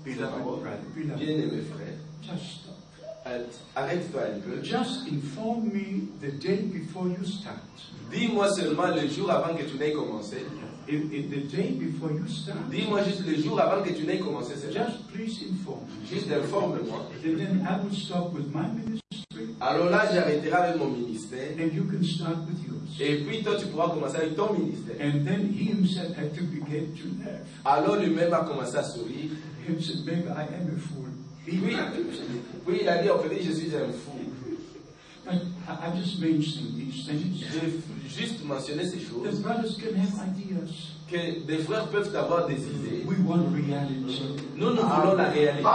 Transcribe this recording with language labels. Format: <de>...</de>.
<fr>Bien-aimé frère.</fr> <en>Just stop.</en> <fr>Arrête-toi un peu.</fr> <en>Just inform me the day before you start.</en> <fr>Dis-moi seulement le jour avant que tu n'aies commencé.</fr> <en>In the day before you start.</en> <fr>Dis-moi juste le jour avant que tu n'aies commencé.</fr> <en>Just please inform me.</en> <fr>Juste informe-moi.</fr> <en>And then I will stop with my ministry.</en> <fr>Alors là, j'arrêterai avec mon ministère.</fr> <en>And you can start with yours.</en> <fr>Et puis toi, tu pourras commencer avec ton ministère.</fr> <en>And then he himself had to begin to laugh.</en> <fr>Alors lui-même a commencé à sourire.</fr> <en>He said, "Maybe I am a fool."</en> <fr>Oui, il a dit, en fait, je suis un fou.</fr> <en>I just mentioned these things.</en> <fr>J'ai juste mentionné ces choses.</fr> <en>The brothers can have ideas.</en> <fr>Que des frères peuvent avoir des idées.</fr> <en>We want reality.</en> <fr>Nous voulons la réalité.</fr>